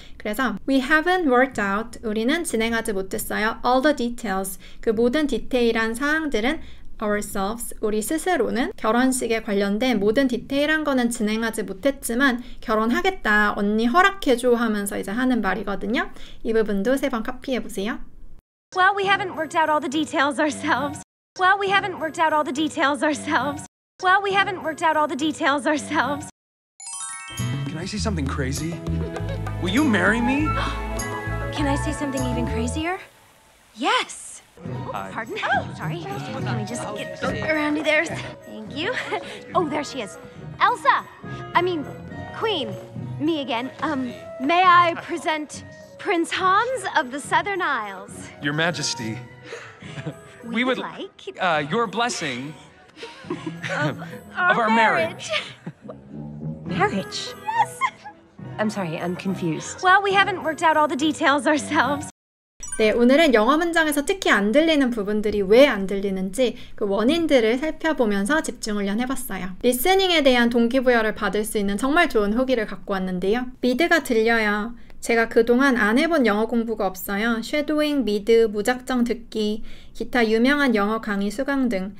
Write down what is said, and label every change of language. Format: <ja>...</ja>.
<ko>그래서</ko> <en>We haven't worked out,</en> <ko>우리는 진행하지 못했어요.</ko> <en>All the details,</en> <ko>그 모든 디테일한 사항들은 ourselves, 우리 스스로는 결혼식에 관련된 모든 디테일한 거는 진행하지 못했지만 결혼하겠다, 언니 허락해줘 하면서 이제 하는 말이거든요. 이 부분도 세 번 카피해보세요.</ko> <en>Well, we haven't worked out all the details ourselves. Well, we haven't worked out all the details ourselves. Well, we haven't worked out all the details ourselves. Can I say something crazy? Will you marry me? Can I say something even crazier? Yes! Pardon? Oh, sorry. Can we just get around to there? Thank you. Oh, there she is. Elsa! I mean, Queen. Me again. May I present Prince Hans of the Southern Isles? Your Majesty. We would like... Your blessing... of our marriage. Marriage? Yes! I'm sorry, I'm confused. Well, we haven't worked out all the details ourselves.</en> <ko>네, 오늘은 영어 문장에서 특히 안 들리는 부분들이 왜 안 들리는지 그 원인들을 살펴보면서 집중훈련 해봤어요. 리스닝에 대한 동기부여를 받을 수 있는 정말 좋은 후기를 갖고 왔는데요. 미드가 들려요. 제가 그동안 안 해본 영어 공부가 없어요. 쉐도잉, 미드, 무작정 듣기, 기타 유명한 영어 강의 수강 등.</ko>